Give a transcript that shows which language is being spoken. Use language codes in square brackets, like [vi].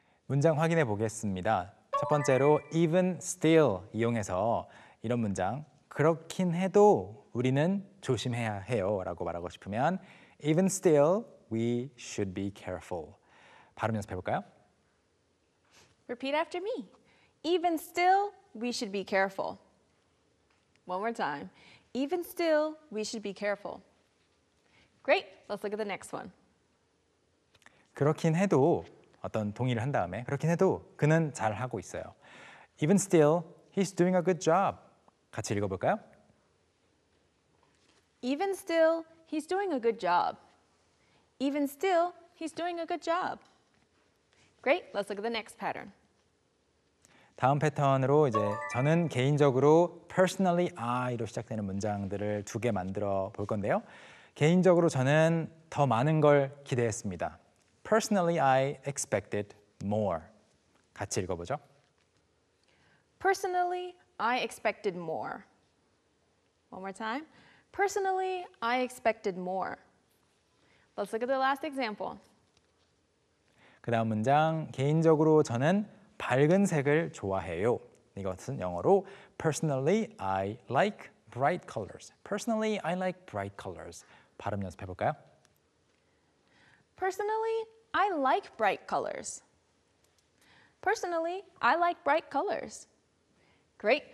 [ko] 문장 확인해 보겠습니다. 첫 번째로 even still 이용해서 이런 문장 그렇긴 해도 우리는 조심해야 해요 라고 말하고 싶으면 [en] even still we should be careful. [ko] 발음 연습해 볼까요? [en] Repeat after me. Even still we should be careful. One more time. Even still we should be careful. Great. Let's look at the next one. [ko] 그렇긴 해도 어떤 동의를 한 다음에 그렇긴 해도 그는 잘 하고 있어요. [en] Even still, he's doing a good job. [ko] 같이 읽어볼까요? [en] Even still, he's doing a good job. Even still, he's doing a good job. Great, let's look at the next pattern. [ko] 다음 패턴으로 이제 저는 개인적으로 [en] personally I [ko] 로 시작되는 문장들을 두 개 만들어 볼 건데요. 개인적으로 저는 더 많은 걸 기대했습니다. [en] Personally, I expected more. [ko] 같이 읽어보죠. [en] Personally, I expected more. One more time. Personally, I expected more. Let's look at the last example. [ko] 그 다음 문장, 개인적으로 저는 밝은 색을 좋아해요. 이것은 영어로 [en] Personally, I like bright colors. Personally, I like bright colors. [ko] 발음 연습해볼까요? [en] Personally, I like bright colors. Personally, I like bright colors. Great.